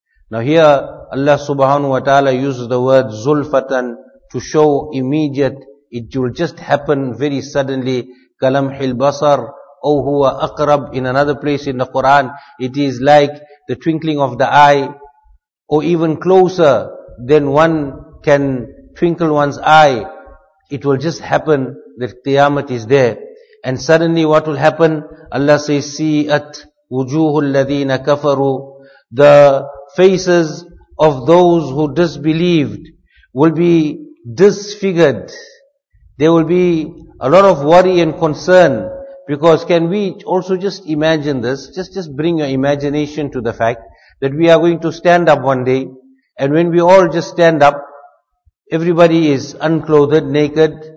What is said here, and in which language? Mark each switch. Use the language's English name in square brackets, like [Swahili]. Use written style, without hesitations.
[English] Now here, Allah subhanahu wa ta'ala uses the word زُلْفَةً to show immediate, it will just happen very suddenly, [Arabic] كَلَمْحِ الْبَصَرِ أَوْ هُوَ أَقْرَبُ. [English] In another place in the Quran, it is like the twinkling of the eye, or even closer than one can twinkle one's eye. It will just happen that Qiyamah is there. And suddenly what will happen? Allah says, [Arabic] سِيئَتْ وُجُوهُ الَّذِينَ كَفَرُوا. [English] The faces of those who disbelieved will be disfigured. There will be a lot of worry and concern, because can we also just imagine this? Just bring your imagination to the fact that we are going to stand up one day, and when we all just stand up, everybody is unclothed, naked.